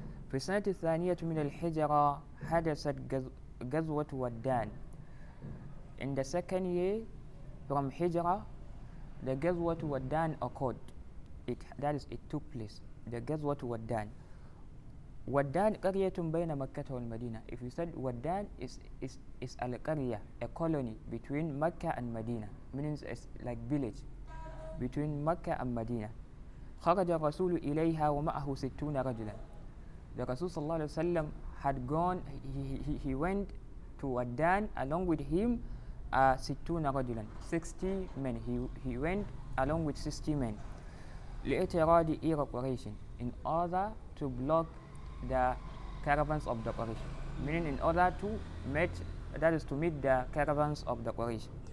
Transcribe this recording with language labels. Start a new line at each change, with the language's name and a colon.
Arabic: في السنة الثانية من الحجرة حدثت غزوة ودان.
English: In the second year from حجرة, the غزوة ودان occurred. It took place. The غزوة ودان.
Arabic: ودان قرية بين مكة والمدينة.
English: If you said ودان is a قرية, a colony between Mecca and Medina, meaning it's like village between Mecca and Medina.
Arabic: خرج الرسول إليها ومعه 60 رجلا.
English: The Rasul sallallahu alayhi wa sallam had gone, he went to Adan along with him 60 رجلا, 60 men. He went along with 60 men.
Arabic: لإعتراض إير قريش,
English: in order to block the caravans of the Quraysh, meaning in order to meet, that is to meet the caravans of the Quraysh.